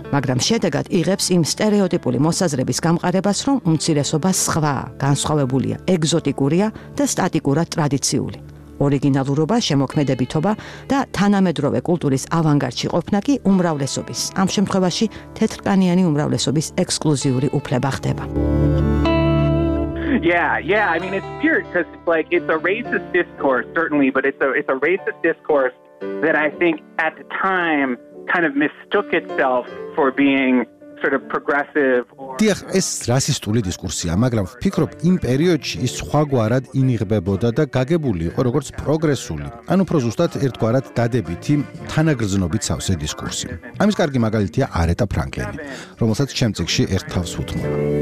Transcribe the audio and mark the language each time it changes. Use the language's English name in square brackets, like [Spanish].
[Georgian] მაგრამ შედეგად იღებს იმ სტერეოტიპული მოსაზრების გამყარებას, რომ უმცირესობა სხვაა, განსხვავებულია, ეგზოტიკურია და სტატიკურად ტრადიციული. ორიგინალურობა, შემოქმედებითობა და თანამედროვე კულტურის ავანგარდში ყოფნა კი უმრავლესობის, ამ შემთხვევაში თეთრკანიანი უმრავლესობის ექსკლუზიური უფლება ხდება. [English] Yeah, I mean it's weird cuz like it's a racist discourse certainly, but it's a racist discourse that I think at the time kind of mistook itself for being sort of progressive or [Georgian] დიახ, ეს რასისტული დისკურსია, მაგრამ ვფიქრობ იმ პერიოდში ის სხვაგვარად ინიღბებოდა და გაგებული იყო როგორც პროგრესული. ან უფრო ზუსტად ერთგვარად დადებითი თანაგრძნობით სავსე დისკურსი. ამის კარგი მაგალითია არეტა ფრანკლინი, რომელსაც ჩემ წიგში ერთ თავს უთმობა.